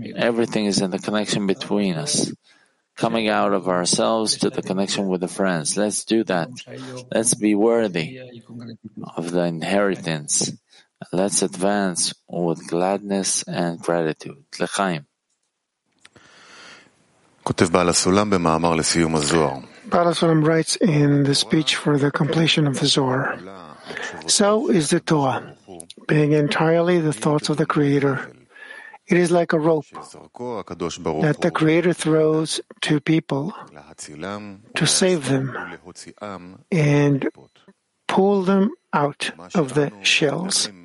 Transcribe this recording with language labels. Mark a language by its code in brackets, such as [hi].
[en] Everything is in the connection between us. Coming out of ourselves to the connection with the friends. Let's do that. Let's be worthy of the inheritance. Let's advance with gladness and gratitude. L'chaim. [he] כותב בעל הסולם במאמר לסיום הזוהר. [en] בעל הסולם writes in the speech for the completion of the Zohar. So is the Torah, being entirely the thoughts of the Creator. It is like a rope that the Creator throws to people to save them and pull them out of the shells.